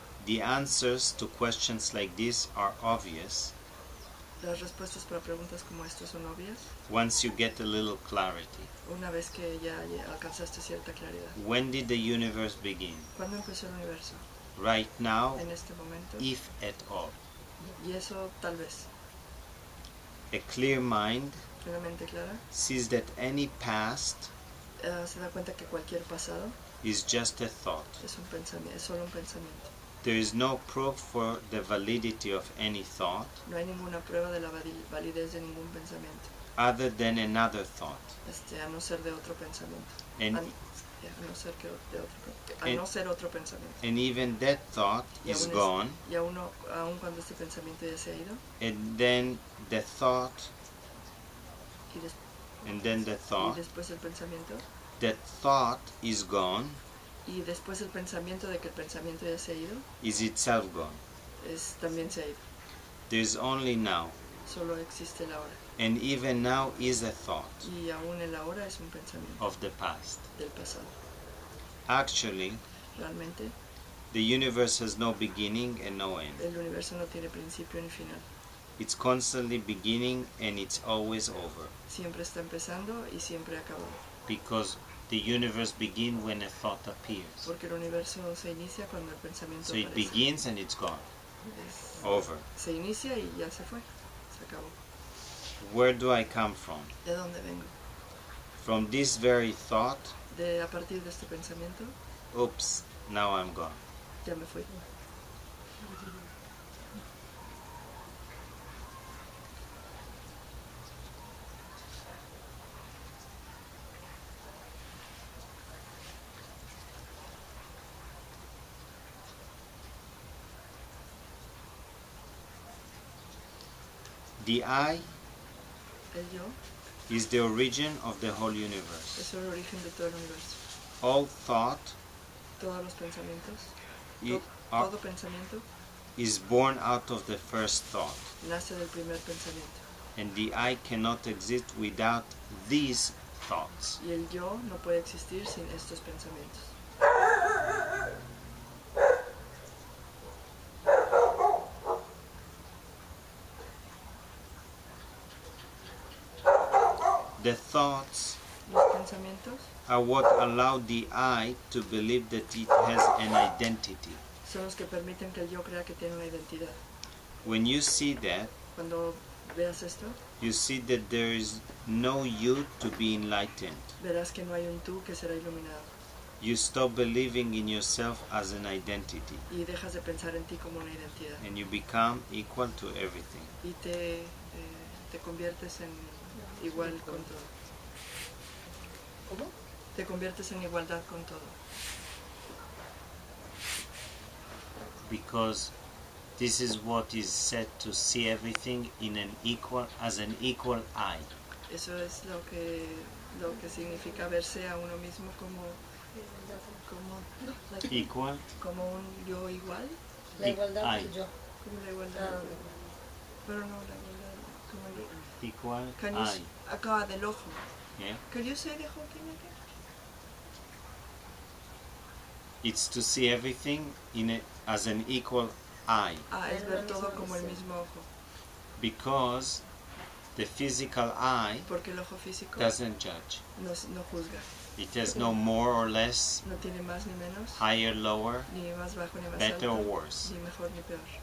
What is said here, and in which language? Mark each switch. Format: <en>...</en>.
<en>The answers to questions like this are obvious.</en> <es>Las respuestas para preguntas como estas son obvias.</es> <en>Once you get a little clarity.</en> <es>Una vez que ya alcanzaste cierta claridad.</es> <en>When did the universe begin?</en> <es>¿Cuándo empezó el universo?</es> <en>Right now,</en> <es>en este momento,</es> <en>if at all.</en> <es>Y eso, tal vez.</es> <en>A clear mind</en> <es>una mente clara,</es> <en>sees that any past</en> <es>se da cuenta que cualquier pasado</es> <en>is just a thought.</en> <es>Es un pensamiento, es solo un pensamiento.</es> <en>There is no proof for the validity of any thought</en> <es>no hay ninguna prueba de la validez de ningún pensamiento.</es> <en>Other than another thought.</en> <es>A no ser de otro pensamiento.</es> <en>And even that thought is gone.</en> <es>Y aun cuando este pensamiento ya se ha ido.</es> <en>And then the thought.</en> <es>Y después el pensamiento.</es> <en>That thought is gone.</en> <es>Y después el pensamiento de que el pensamiento ya se ha ido.</es> <en>Is itself gone.</en> <es>Es también se ha ido.</es> <en>There is only now.</en> <es>Solo existe el ahora.</es> <en>And even now is a thought.</en> <es>Y aun el ahora es un pensamiento.</es> <en>Of the past.</en> <es>Del pasado.</es> <en>Actually,</en> <es>realmente,</es> <en>the universe has no beginning and no end.</en> <es>El universo no tiene principio ni final.</es> <en>It's constantly beginning and it's always over.</en> <es>Siempre está empezando y siempre acaba.</es> <en>Because the universe begins when a thought appears.</en> <es>Porque el universo se inicia cuando el pensamiento</es> <en>so</en> <es>aparece.</es> <en>It begins and it's gone. Over.</en> <es>Se inicia y ya se fue. Se acabó.</es> <en>Where do I come from?</en> <es>¿De dónde vengo?</es> <en>From this very thought.</en> <es>A partir de este pensamiento.</es> <en>Oops, now I'm gone.</en> <es>Ya me fui.</es> <en>The I.</en> <es>El yo.</es> <en>Is the origin of the whole universe.</en> <es>Es el origen de todo el universo.</es> <en>All thought</en> <es>todos los pensamientos, todo pensamiento</es> <en>is born out of the first thought.</en> <es>Nace del primer pensamiento.</es> <en>And the I cannot exist without these thoughts.</en> <es>Y el yo no puede existir sin estos pensamientos.</es> <en>The thoughts</en> <es>los pensamientos</es> <en>are what allow the I to believe that it has an identity.</en> <es>Son los que permiten que el yo crea que tiene una identidad.</es> <en>When you see that,</en> <es>cuando veas esto,</es> <en>you see that there is no you to be enlightened.</en> <es>Verás que no hay un tú que será iluminado.</es> <en>You stop believing in yourself as an identity.</en> <es>Y dejas de pensar en ti como una identidad.</es> <en>And you become equal to everything.</en> <es>Y te conviertes en igual con todo. ¿Cómo? Te conviertes en igualdad con todo.</es> <en>Because this is what is said to see everything in an equal as an equal eye.</en> <es>Eso es lo que significa verse a uno mismo como</es> <en>like, equal.</en> <es>Como un yo igual. La igualdad del yo. Como la igualdad. Pero no la igualdad como el yo.</es> <en>practical can eye. You see,</en> <es>acá del ojo.</es> <en>Yeah. Could you say the whole thing again? It's to see everything in it as an equal eye.</en> <es>Ah, es ver todo como el mismo ojo.</es> <en>Because the physical eye,</en> <es>porque el ojo físico,</es> <en>doesn't judge.</en> <es>No juzga.</es> <en>It has no more or less,</en> <es>no tiene más ni menos,</es> <en>higher, lower,</en> <es>ni más bajo, ni más</es> <en>better</en> <es>alto,</es> <en>or worse.</en> <es>Ni mejor, ni peor.</es>